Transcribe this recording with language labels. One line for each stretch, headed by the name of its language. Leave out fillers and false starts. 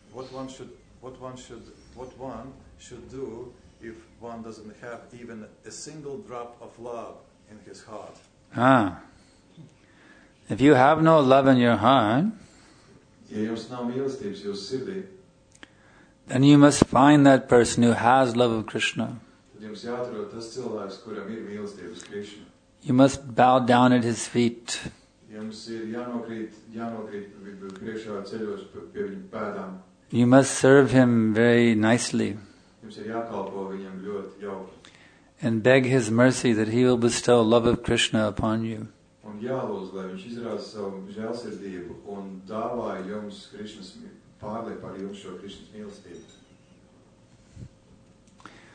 English: What one should do if one doesn't have even a single drop of love in his heart? Ah. If you have no love in your heart,
Latvian: ja jums nav mīlestības jūs sirdī,
English: then you must find that person who has love of Krishna.
Latvian: Tad jums jāatrod tas cilvēks, kuram ir mīlestības Krishna.
English: You must bow down at his feet.
Latvian: Jums ir jānokrīt priekšā ceļos pie viņa pēdām.
English: You must serve him very nicely.
Latvian: Jums ir jākalpo viņam ļoti jauki.
English: And beg his mercy that he will bestow love of Krishna upon you.
Latvian: Un jālūdz, lai viņš izrāda savu žēlsirdību un dāvā jums Krishnas pārlie par jums šo Krishnas mīlestību.